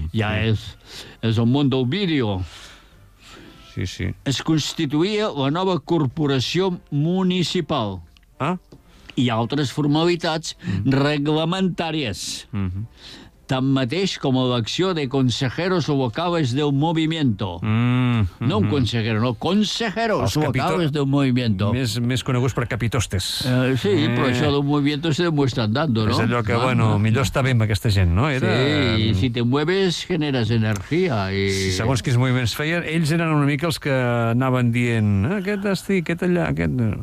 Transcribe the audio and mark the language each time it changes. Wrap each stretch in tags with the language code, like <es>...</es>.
<ca>Ja és el món del vídeo. Sí, sí. Es constituïa la nova corporació municipal. Ah? I altres formalitats reglamentàries. Tanmateix com a l'acció de</ca> <es>consejeros locales del movimiento. No un consejero, no, consejeros locales del movimiento.</es> <ca>Més coneguts per capitostes. Sí, però això</ca> <es>del movimiento se demuestra andando, no?</es> <ca>És allò que, bueno, millor està bé amb aquesta gent, no? Era... Sí, i</ca> <es>si te mueves generes</es> <ca>energia. I... Segons quins moviments feien, ells eren una mica els que anaven dient aquest estic, aquest allà, aquest...</ca>